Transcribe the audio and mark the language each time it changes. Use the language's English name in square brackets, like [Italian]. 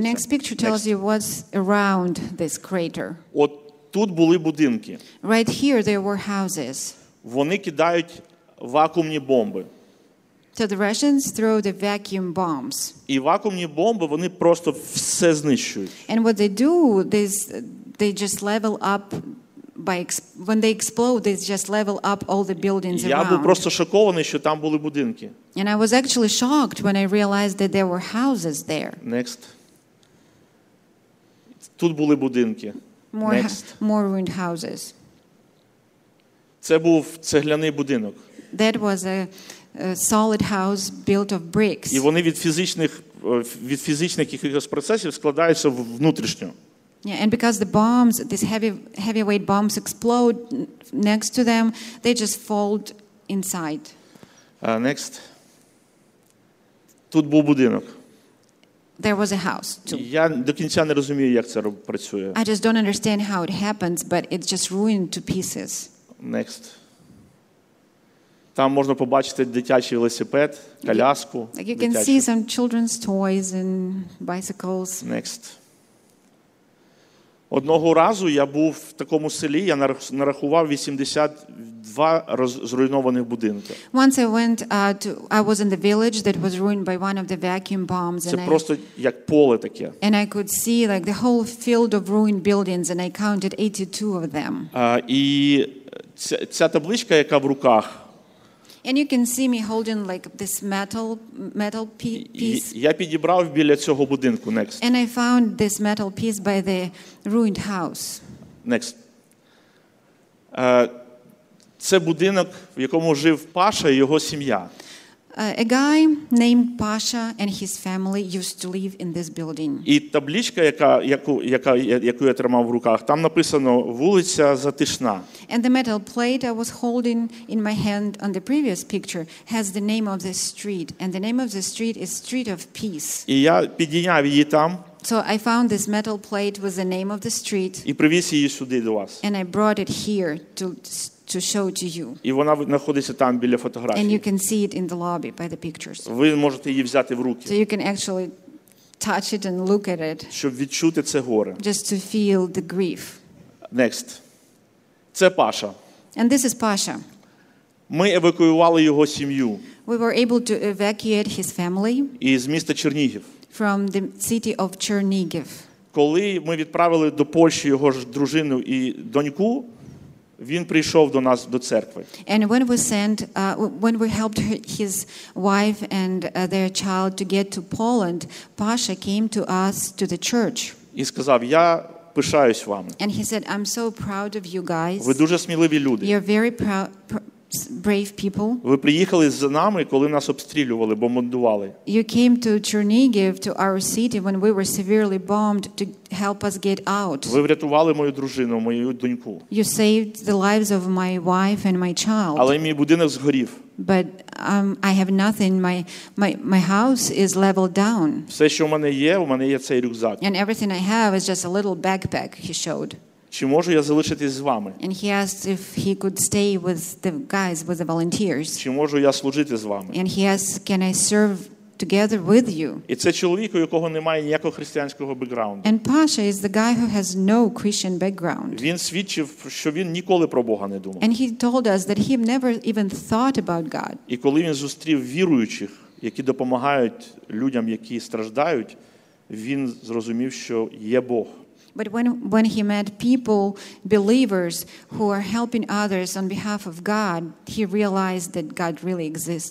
[English] And the next picture tells you what's around this crater. [Ukrainian] От тут були будинки. [English] Right here there were houses. [Ukrainian] Вони кидають вакуумні бомби. [English] So the Russians throw the vacuum bombs. [Ukrainian] І вакуумні бомби, вони просто все знищують. [English] And what they do, they just level up when they explode, they just level up all the buildings around. [Ukrainian] Я був просто шокований, що там були будинки. [English] And I was actually shocked when I realized that there were houses there. Next. [Ukrainian] Тут були будинки. [English] More ruined houses. [Ukrainian] Це був цегляний будинок. [English] That was a solid house built of bricks. [Ukrainian] І вони від фізичних якихось процесів складаються в внутрішню. [English] Yeah, and because the bombs, these heavyweight bombs explode next to them, they just fold inside. Next. [Ukrainian] Тут був будинок. [English] There was a house too. [Ukrainian] Я до кінця не розумію, як це працює. [English] I just don't understand how it happens, but it's just ruined to pieces. Next. [Ukrainian] Там можна побачити дитячий велосипед, коляску. [English] Like you can see some children's toys and bicycles. Next. [Ukrainian] Одного разу я був в такому селі, я нарахував 82 зруйнованих будинки. [English] Once I went I was in the village that was ruined by one of the vacuum bombs. [Ukrainian] Це просто як поле таке. [English] And I could see like the whole field of ruined buildings and I counted 82 of them. [Ukrainian] І ця табличка, яка в руках. [English] And you can see me holding like this metal piece. [Ukrainian] Я підібрав біля цього будинку. [English] Next. And I found this metal piece by the ruined house. Next. [Ukrainian] Це будинок, в якому жив Паша і його сім'я. [English] A guy named Pasha and his family used to live in this building. [Ukrainian] І табличка, яку я тримав в руках, там написано «Вулиця Затишна». [English] And the metal plate I was holding in my hand on the previous picture has the name of the street. And the name of the street is Street of Peace. [Ukrainian] І я підійняв її там. [English] So I found this metal plate with the name of the street. [Ukrainian] І привіз її сюди до вас. [English] And I brought it here to show to you. [Ukrainian] І вона знаходиться там біля фотографії. [English] And you can see it in the lobby by the pictures. [Ukrainian] Ви можете її взяти в руки. [English] So you can actually touch it and look at it. [Ukrainian] Щоб відчути це горе. [English] Just to feel the grief. Next. [Ukrainian] Це Паша. [English] And this is Pasha. [Ukrainian] Ми евакуювали його сім'ю. [English] We were able to evacuate his family. [Ukrainian] Із міста Чернігів. [English] From the city of Chernihiv. [Ukrainian] Коли ми відправили до Польщі його ж дружину і доньку, він прийшов до нас до церкви. [English] And when we sent when we helped his wife and their child to get to Poland, Pasha came to us to the church. [Ukrainian] І сказав: "Я пишаюсь вами". [English] And he said, "I'm so proud of you guys". [Ukrainian] Ви дуже сміливі люди. [English] You're very brave people. [Ukrainian] Ви приїхали за нами, коли нас обстрілювали, бомбардували. [English] You came to Chernihiv, to our city when we were severely bombed to help us get out. [Ukrainian] Ви врятували мою дружину, мою доньку. [English] You saved the lives of my wife and my child. [Ukrainian] Але мій будинок згорів. [English] But I have nothing. My house is leveled down. [Ukrainian] Все, що у мене є цей рюкзак. [English] And everything I have is just a little backpack, he showed. [Ukrainian] Чи можу я залишитись з вами? [English] And he asked if he could stay with the guys, with the volunteers. [Ukrainian] Чи можу я служити з вами? [English] And he asked, can I serve together with you? [Ukrainian] І це чоловік, у якого немає ніякого християнського бекграунду. [English] And Pasha is the guy who has no Christian background. [Ukrainian] Він свідчив, що він ніколи про Бога не думав. [English] And he told us that he never even thought about God. [Ukrainian] І коли він зустрів віруючих, які допомагають людям, які страждають, він зрозумів, що є Бог. [English] But when he met people, believers who are helping others on behalf of God, he realized that God really exists.